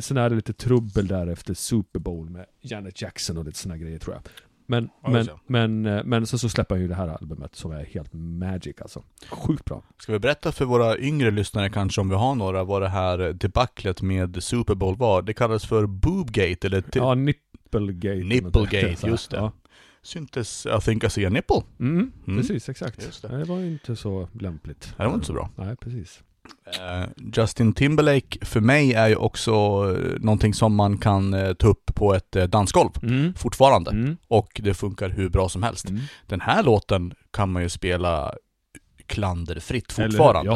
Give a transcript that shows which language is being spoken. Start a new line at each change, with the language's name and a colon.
Swedish: Sen är det lite trubbel där efter Super Bowl med Janet Jackson och lite såna grejer, tror jag. Men så släpper han ju det här albumet som är helt magic, alltså. Sjukt bra. Ska vi berätta för våra yngre lyssnare kanske, om vi har några, vad det här debaclet med Super Bowl var? Det kallades för Boobgate eller Nipplegate. Nipplegate, just det. Ja. Syntes,
English: I think I see a nipple.
Swedish: Precis, exakt. Det var inte så lämpligt. Det var inte så bra. Nej, precis. Justin Timberlake för mig är ju också någonting som man kan ta upp på ett dansgolv fortfarande. Och det funkar hur bra som helst. Den här låten kan man ju spela klanderfritt fortfarande.